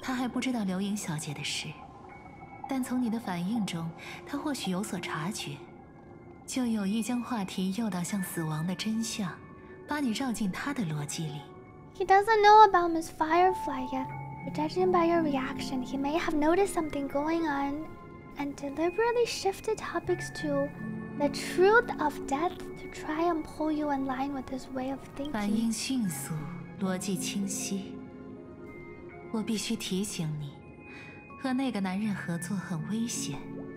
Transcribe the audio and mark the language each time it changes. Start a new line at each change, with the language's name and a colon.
Chinese: 他还不知道刘莹小姐的事，但从你的反应中，他或许有所察觉，就有意将话题诱到向死亡的真相，把你绕进他的逻辑里。
English: He doesn't know about Miss Firefly yet. Judging by your reaction, he may have noticed something going on and deliberately shifted topics to the truth of death to try and pull you in line with his way of thinking.
Chinese: 反应迅速，逻辑清晰。我必须提醒你，和那个男人合作很危险。